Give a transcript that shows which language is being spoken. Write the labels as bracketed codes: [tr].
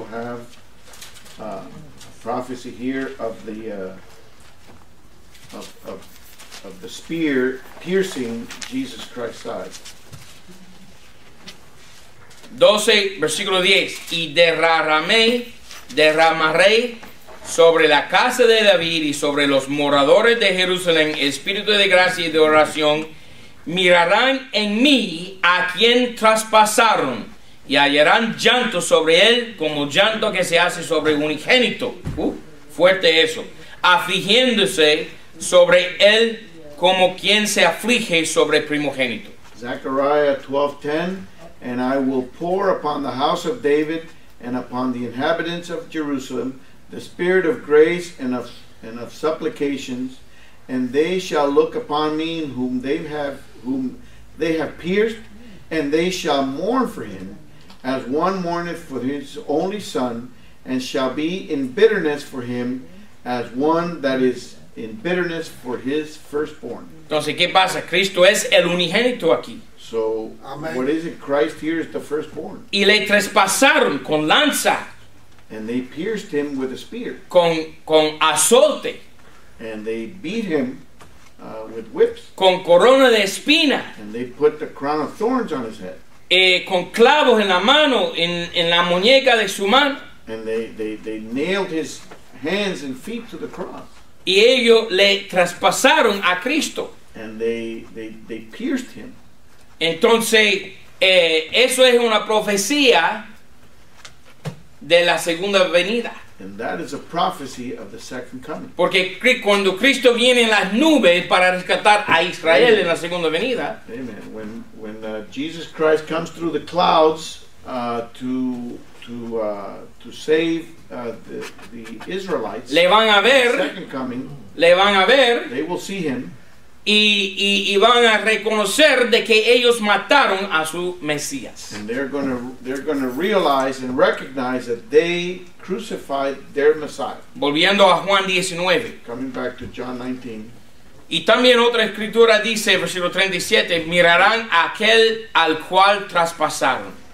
[en] Where we also have a prophecy here of the spear piercing Jesus Christ's side. [es] 12, versículo 10. Y derramaré sobre la casa de David y sobre los moradores de Jerusalén espíritu de gracia y de oración. Mirarán en mí a quien traspasaron y hallarán llanto sobre él como llanto que se hace sobre unigénito. Fuerte eso. Afligiéndose sobre él como quien se aflige sobre primogénito. [en] Zechariah 12:10, and I will pour upon the house of David and upon the inhabitants of Jerusalem the spirit of grace and of supplications, and they shall look upon me in whom they have pierced, and they shall mourn for him as one mourneth for his only son, and shall be in bitterness for him as one that is in bitterness for his firstborn. [es] Entonces, ¿qué pasa? Cristo es el unigénito aquí. [en] So, amen. What is it? Christ here is the firstborn. [es] Y le traspasaron con lanza. [en] And they pierced him with a spear. [es] Con azote. [en] And they beat him with whips. [es] Con corona de espina. [en] And they put the crown of thorns on his head. [es] Con clavos en la mano, en la muñeca de su mano. [en] And they nailed his hands and feet to the cross. [es] Y ellos le traspasaron a Cristo. [en] And they pierced him. [es] Entonces, eso es una profecía de la segunda venida. [en] And that is a prophecy of the second coming. [es] Porque cuando Cristo viene en las nubes para rescatar a Israel. Amen. En la segunda venida. Amen. [en] When Jesus Christ comes through the clouds to save the Israelites. [es] Le van a ver. [en] The second coming. [es] Le van a ver. [en] They will see him. [es] Y van a reconocer de que ellos mataron a su Mesías. [en] And they're going to realize and recognize that they crucified their Messiah. [es] Volviendo a Juan 19. [en] Coming back to John 19. [es] Y también otra escritura dice, versículo 37, mirarán a aquel al cual traspasaron.